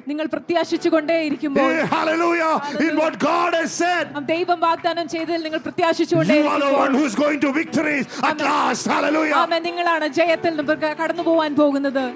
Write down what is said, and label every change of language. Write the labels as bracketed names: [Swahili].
[Malayalam] നിങ്ങൾ പ്രത്യാശിച്ചുകൊണ്ടേ ഇരിക്കുമ്പോൾ, [English] hallelujah, in what God has said, [Malayalam] ദൈവം വാഗ്ദാനം ചെയ്തതിൽ നിങ്ങൾ പ്രത്യാശിച്ചുകൊണ്ടേ ഇരിക്കുമ്പോൾ, [English] you are the one who is going to victory at last. Hallelujah. [Malayalam] ആമേൻ. നിങ്ങളാണ് ജയത്തിൽ കടന്നു പോകാൻ പോകുന്നത്.